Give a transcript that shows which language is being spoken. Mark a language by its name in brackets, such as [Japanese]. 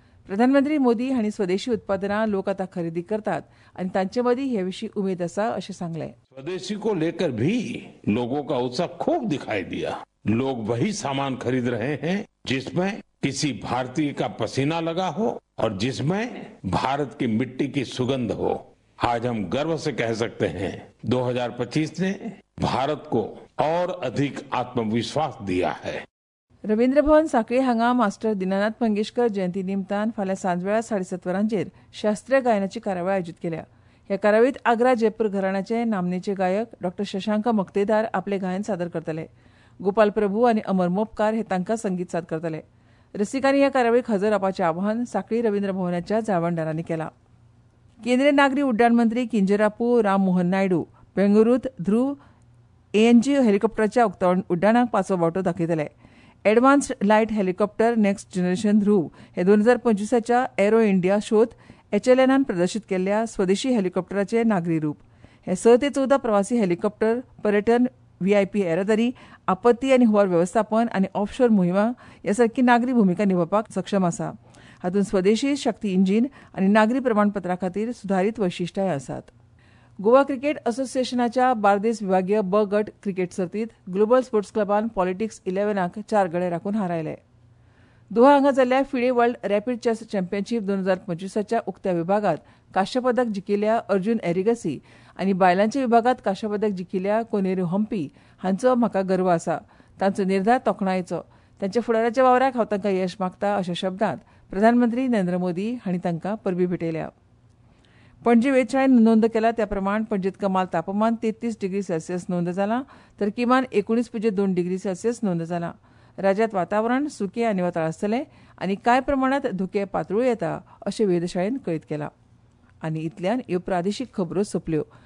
[Konkani] प्रधानमंत्री मोदी हांणी स्वदेशी उत्पादनां लोक आतां खरेदी करतात आनी तांचे मदीं हे विशीं उमेद आसा अशें सांगले. [Hindi] स्वदेशी को लेकर भी लोगों का उत्साह खूब दिखाई दिया. लोग वही सामान खरीद रहे हैं जिसमें किसी भारतीय का पसीना लगा हो और जिसमें भारत की मिट्टी की सुगंध हो. आज हम गर्व से कह सकते हैं 2025 ने भारत को और अधिक आत्मविश्वास दिया है. [Konkani] रविंद्र भवन साखळे हांगा मास्टर दिनानाथ मंगेशकर जयंती निमतान फाल्यां सांजवेळा 7:30 वरांचेर शास्त्रीय गायनाची कार्यावळ आयोजीत केल्या. ह्या कार्यावळीत आग्रा जयपूर घराण्याचे नामनेचे गायक डॉ शशांक मक्तेदार आपले गायन सादर करतले. गोपाल प्रभू आनी अमर मोपकार हे तांकां संगीत साद करतले. रसिकांनी ह्या कार्यावळीक हजर रावपाचे आवाहन साखळी रविंद्र भवनाच्या जाळवणदारांनी केला. केंद्रीय नागरी उड्डाण मंत्री किंजरापू राम मोहन नायडू बेंगळुरूत ध्रुव एएनजी हॅलिकॉप्टरच्या उड्डाणाक 5वो वांटो दाखयतले. Advanced light helicopter next generation ध्रुव हे 2025 एरो इंडिया शोत एचएलएनान प्रदर्शित केल्ल्या स्वदेशी हॅलिकॉप्टराचे नागरी रूप. हे 6 ते 14 प्रवासी हॅलिकॉप्टर पर्यटन, व्हीआयपी येरादारी, आपत्ती आनी हुंवार वेवस्थापन आनी ऑफशोर मोहिमा ह्या सारकी नागरी भुमिका निभावपाक सक्षम आसा. हातूंत स्वदेशी शक्ती इंजीन आनी नागरी प्रमाणपत्रा खातीर सुधारीत वैशिश्टाय आसात. गोवा क्रिकेट असोसिएशनाच्या बार्देस विभागीय ब गट क्रिकेट सर्तीत ग्लोबल स्पोर्ट्स क्लबान पॉलिटिक्स 11 4 गडे राखून हारायले. दोहा हांगा जाल्ल्या FIDE world rapid chess championship 2025 उक्त्या विभागात काश्य पदक जिखिल्ल्या अर्जुन एरिगसी आनी बायलांच्या विभागात काश्य पदक जिखिल्ल्या कोनेरू हंपी हांचो म्हाका गर्व आसा. तांचो निर्धार तोखणायेचो. तांच्या फुडाराच्या वावराक हांव तांकां यश मागता अशा शब्दांत प्रधानमंत्री नरेंद्र मोदी हांणी तांकां परबी भेटयल्या. पणजे वेळेन नोंद केला त्या प्रमाण पणजेत कमाल तापमान 33 डिग्री सेल्सियस नोंद जाला, तर किमान 19.2 डिग्री सेल्सियस नोंद जाला. राज्यात वातावरण सुके आनी वताळ आसतले आनी कांय प्रमाणात धुके पातळू येता अशें वेधशाळेन कळीत केला. आनी इतल्यान ह्यो प्रादेशीक खबरो सोपल्यो.